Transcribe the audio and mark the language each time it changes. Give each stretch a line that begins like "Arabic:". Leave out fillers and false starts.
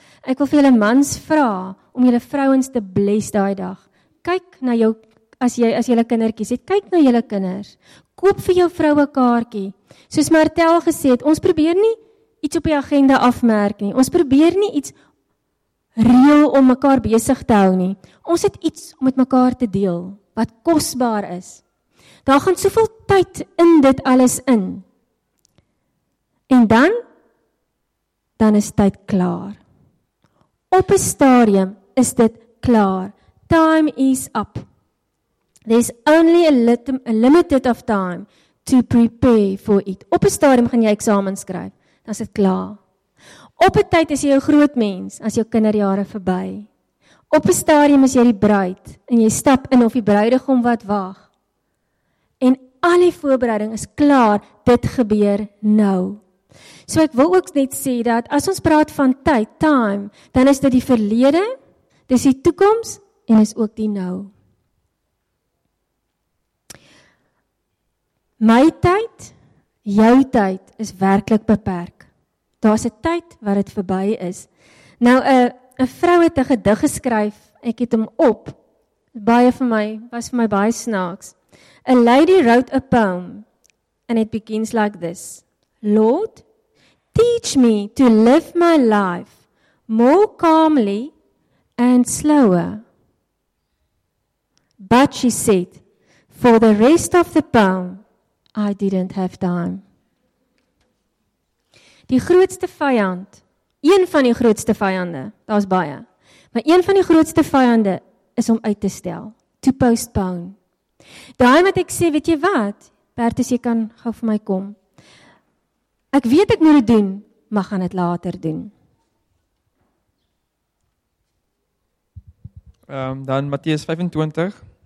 Afrikaans: Ek wil vir julle mans vra om julle vrouens te bless daai dag. Kyk na jou as jy julle kindertjies het, kyk na julle kinders. Koop vir jou vroue kaartjie. Soos Martel gesê het, ons probeer nie iets op die agenda afmerk nie. Ons probeer nie iets reël om mekaar besig te hou nie. Ons het iets om met mekaar te deel wat kosbaar is. Daar gaan soveel tyd in dit alles in. En dan is tyd klaar. Op 'n stadium is dit klaar.
English: Time is up. There's only a limited of time to prepare for it.
Afrikaans: Op 'n stadium gaan jy eksamens skryf, dan is dit klaar. Op 'n tyd is jy 'n groot mens as jou kinderjare verby. Op 'n stadium is jy die bruid en jy stap in of die bruidegom wat wag. En al die voorbereiding is klaar. Dit gebeur nou. So ek wil ook net sê dat as ons praat van tyd, time, dan is dit die verlede, dis die toekoms en is ook die nou. My tyd, jou tyd is werklik beperk. Daar's 'n tyd wat dit verby is. Nou 'n vrou het 'n gedig geskryf. Ek het hom op. Was vir my baie snaaks.
English: A lady wrote a poem and it begins like this. Lord, teach me to live my life more calmly and slower. But she said, for the rest of the poem, I didn't have time.
Afrikaans: Die grootste vyand, een van die grootste vyande, daar's baie, maar een van die grootste vyande is om uit te stel,
English: to postpone.
Afrikaans: Daai wat ek sê, weet jy wat, Bertus, jy kan gou vir my kom. Ek weet ek moet dit doen, maar gaan dit later doen. Dan Matteus 25.